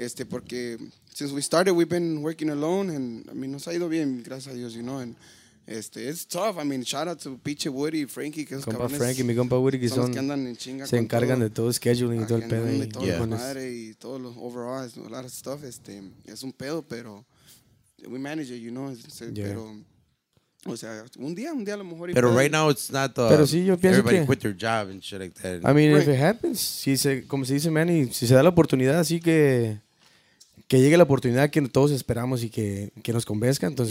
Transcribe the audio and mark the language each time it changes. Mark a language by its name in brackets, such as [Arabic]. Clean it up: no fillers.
[English] Porque since we started, we've been working alone, and I mean, [Spanish] nos ha ido bien, gracias a Dios, [English] you know. And it's tough. I mean, shout out to Piche Woody, Frankie, que [Spanish] compa Frankie, mi compa Woody, que son los que andan en chinga, se encargan de todo scheduling y todo el pedo. [English] Yeah. [Spanish] Madre y todo lo [English] overall, it's a lot of stuff. [Spanish] Es un pedo, pero [English] we manage it, you know. [Spanish] Pero, o sea, un día a lo mejor. [English] Pero right now it's not the. [Spanish] Pero sí, yo pienso [English] everybody [Spanish] que [English] quit their job and shit like that. I mean, right. If it happens, [Spanish] si se, como se dice, Manny, si se da la oportunidad, así que. Que llegue la oportunidad que todos esperamos y que nos convenzca, entonces